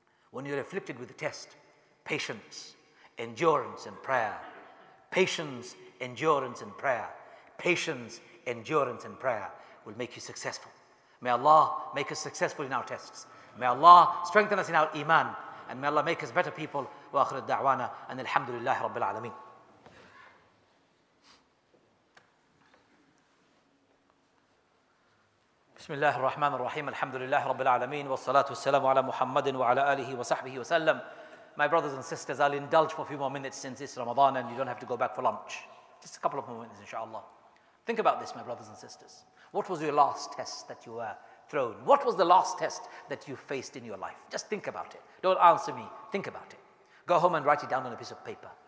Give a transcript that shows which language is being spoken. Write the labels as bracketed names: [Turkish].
[English] When you're afflicted with the test, patience, endurance, and prayer. Patience, endurance, and prayer. Patience, endurance, and prayer will make you successful. May Allah make us successful in our tests. May Allah strengthen us in our iman. And may Allah make us better people. [Arabic] وآخر الدعوانا أن الحمد لله رب العالمين. بسم الله الرحمن الرحيم الحمد لله رب العالمين والصلاة والسلام على محمد وعلى آله وصحبه وسلم. [English] My brothers and sisters, I'll indulge for a few more minutes since it's Ramadan and you don't have to go back for lunch. Just a couple of more minutes, inshallah. Think about this, my brothers and sisters. What was your last test that you were thrown? What was the last test that you faced in your life? Just think about it. Don't answer me. Think about it. Go home and write it down on a piece of paper.